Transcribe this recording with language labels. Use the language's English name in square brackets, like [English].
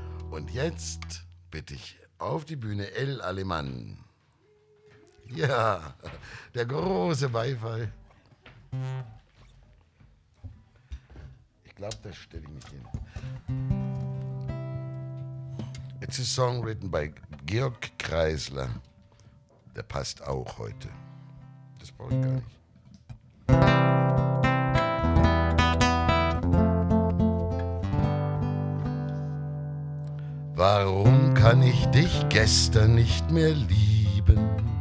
[German] Und jetzt bitte ich auf die Bühne El Alemán. Ja, der große Beifall. Ich glaube, das stelle ich mich hin. [English] It's a song written by Georg Kreisler. [German] Der passt auch heute. Das brauche ich gar nicht. Warum kann ich dich gestern nicht mehr lieben?